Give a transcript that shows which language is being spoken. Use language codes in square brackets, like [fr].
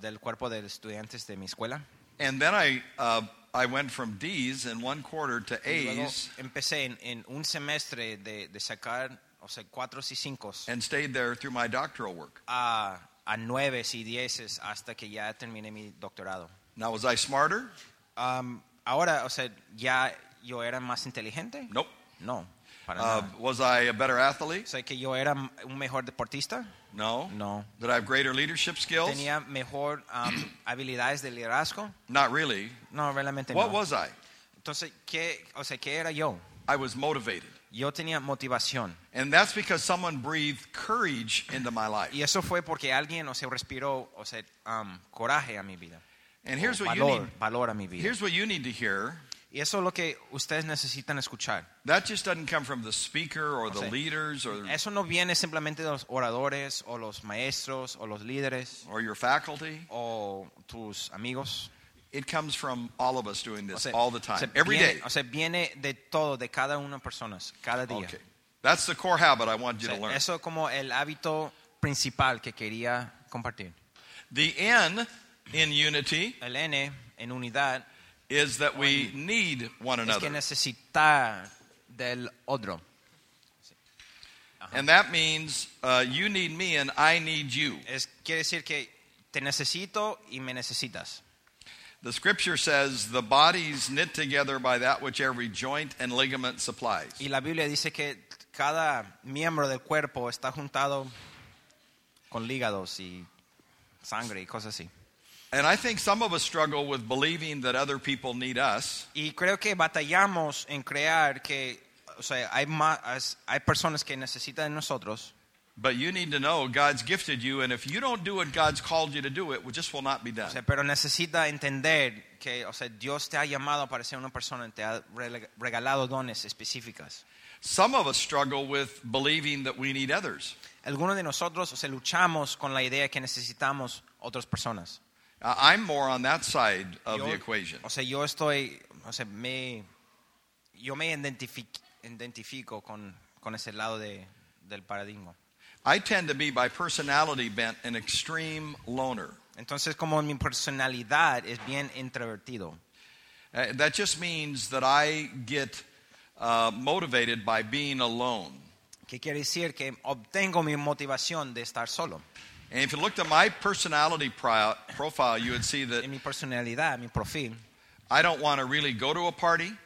[es] Del cuerpo de estudiantes de mi escuela. [en] And then I went from D's in one quarter to A's. [es] Empecé en un semestre de sacar, o sea, cuatro y cinco. [en] And stayed there through my doctoral work. [es] A nueve y diez hasta que ya terminé mi doctorado. [en] Now, was I smarter? [es] Ahora, o sea, ya yo era más inteligente. [en] Nope. [es] No. [en] Was I a better athlete? [es] O sea, que yo era un mejor deportista. [en] No. [es] No. [en] Did I have greater leadership skills? [es] Tenía mejor habilidades de liderazgo. [en] Not really. [es] No, realmente [en] what [es] no. [en] What was I? [es] Entonces, ¿qué, o sea, qué era yo? [en] I was motivated. [es] Yo tenía motivación. [en] And that's because someone breathed courage into my life. [es] Y eso fue porque alguien, o sea, respiró, o sea, coraje a mi vida. [en] And here's [es] o [en] what [es] valor, [en] you need. [es] Valor a mi vida. [en] Here's what you need to hear. [es] Y eso es lo que ustedes necesitan escuchar. [en] That just doesn't come from the speaker or the leaders or [es] eso no viene simplemente de los oradores o los maestros o los líderes [en] or your faculty [es] o tus amigos. [en] It comes from all of us doing this all the time, every day. [es] O sea, viene de todo, de cada una personas, cada día. [en] Okay. That's the core habit I want you to learn. [es] Eso como el hábito principal que quería compartir. [en] The N in unity. [es] El N en unidad. [en] Is that we need one another. [es] Es que necesitar del otro. [en] And that means you need me and I need you. [es] Es, quiere decir que te necesito y me necesitas. [en] The scripture says the body is knit together by that which every joint and ligament supplies. [es] Y la Biblia dice que cada miembro del cuerpo está juntado con hígados y sangre y cosas así. [en] And I think some of us struggle with believing that other people need us. [es] Y creo que batallamos en creer que, o sea, hay personas que necesitan de nosotros. [en] But you need to know God's gifted you, and if you don't do what God's called you to do, it just will not be done. [es] O sea, pero necesita entender que, o sea, Dios te ha llamado para ser una persona y te ha regalado dones específicas. [en] Some of us struggle with believing that we need others. [es] Algunos de nosotros, o sea, luchamos con la idea que necesitamos otras personas. [en] I'm more on that side of the equation. [es] O sea, yo estoy, o sea, yo me identifico con ese lado del paradigma. [en] I tend to be by personality bent an extreme loner. [es] Entonces, como mi personalidad es bien introvertido. [en] That just means that I get motivated by being alone. [es] ¿Qué quiere decir que obtengo mi motivación de estar solo? [en] And if you looked at my personality profile, you would see that [es] en mi personalidad, mi profil, [en] I don't want to really go to a party.